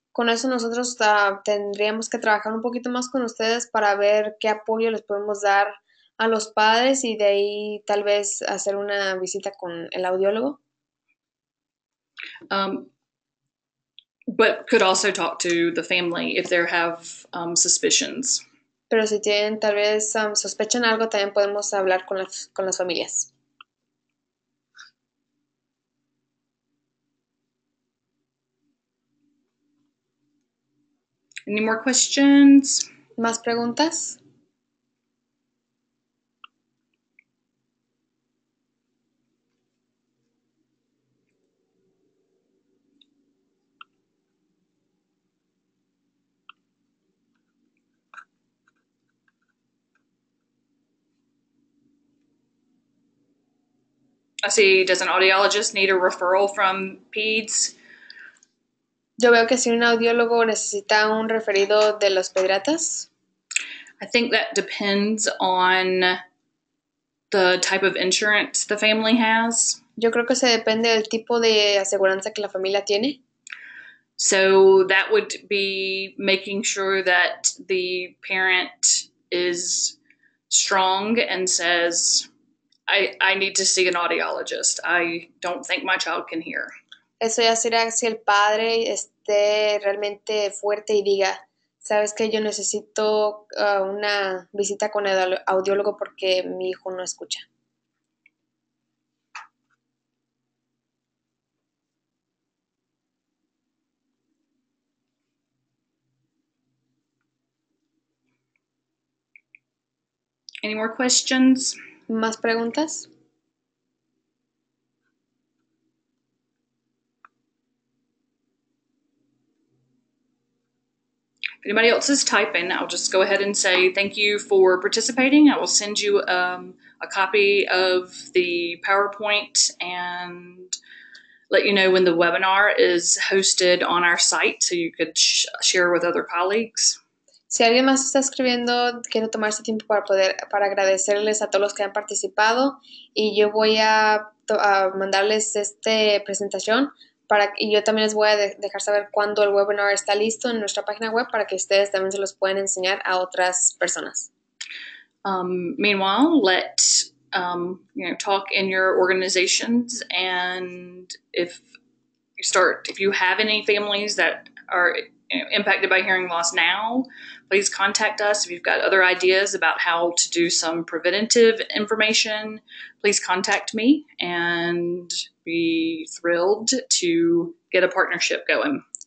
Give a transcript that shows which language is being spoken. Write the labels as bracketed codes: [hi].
[es] Con eso nosotros tendríamos que trabajar un poquito más con ustedes para ver qué apoyo les podemos dar a los padres y de ahí tal vez hacer una visita con el audiólogo. [en] But could also talk to the family if they have suspicions. [es] Pero si tienen tal vez sospechan algo, también podemos hablar con las familias. [en] Any more questions? [es] ¿Más preguntas? [en] I see, does an audiologist need a referral from PEDS? [es] Yo veo que si un audiólogo necesita un referido de los pediatras. [en] I think that depends on the type of insurance the family has. [es] Yo creo que se depende del tipo de aseguranza que la familia tiene. [en] So that would be making sure that the parent is strong and says, I need to see an audiologist. I don't think my child can hear. [es] Eso ya sería si el padre esté realmente fuerte y diga, sabes que yo necesito una visita con el audiólogo porque mi hijo no escucha. [en] Any more questions? [es] ¿Más preguntas? [en] If anybody else is typing, I'll just go ahead and say thank you for participating. I will send you a copy of the PowerPoint and let you know when the webinar is hosted on our site so you could share with other colleagues. [es] Si alguien más está escribiendo, quiero tomarse tiempo para agradecerles a todos los que han participado y yo voy a mandarles esta presentación. Y yo también les voy a dejar saber cuándo el webinar está listo en nuestra página web para que ustedes también se los puedan enseñar a otras personas. [en] Meanwhile, let you know, talk in your organizations, and if you have any families that are impacted by hearing loss now, please contact us. If you've got other ideas about how to do some preventative information, please contact me and be thrilled to get a partnership going.